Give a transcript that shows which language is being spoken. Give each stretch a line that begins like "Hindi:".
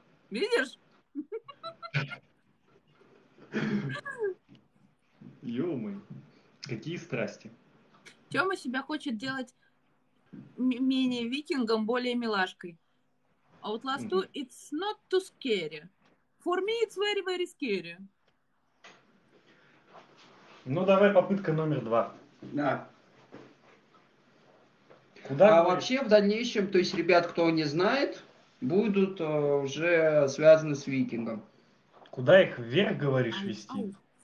Russian: Видишь? Ё-моё. Какие страсти. Тёма себя хочет делать менее викингом, более милашкой.
English: Outlast 2, it's not too scary. For me it's very, very scary.
Russian: Ну, давай попытка номер два. Да. Куда? А вообще в дальнейшем, то есть, ребят, кто не знает, будут уже связаны с викингом. Куда их вверх, говоришь, вести?